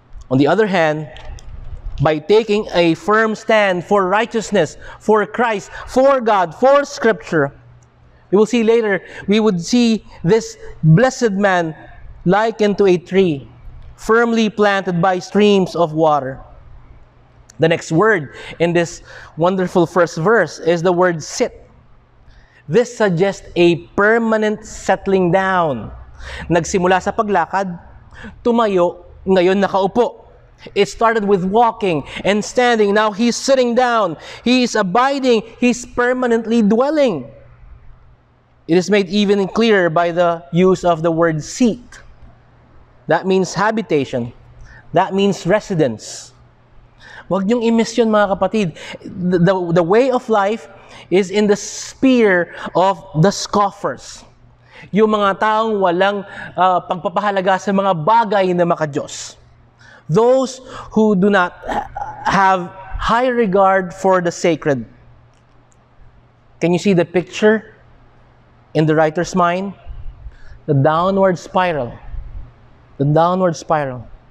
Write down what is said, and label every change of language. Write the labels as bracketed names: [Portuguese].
[English] On the other hand, by taking a firm stand for righteousness, for Christ, for God, for Scripture, we will see later, we would see this blessed man likened to a tree, firmly planted by streams of water. The next word in this wonderful first verse is the word sit. This suggests a permanent settling down. [Filipino] Nagsimula sa paglakad, tumayo, ngayon nakaupo. [English] It started with walking and standing. Now he's sitting down. He's abiding. He's permanently dwelling. It is made even clearer by the use of the word seat. That means habitation. That means residence. [Filipino] Huwag niyong i-miss yun, mga kapatid. [English] The way of life is in the sphere of the scoffers. [Filipino] Yung mga taong walang pagpapahalaga sa mga bagay na maka-Diyos. [English] Those who do not have high regard for the sacred. Can you see the picture in the writer's mind? The downward spiral. The downward spiral.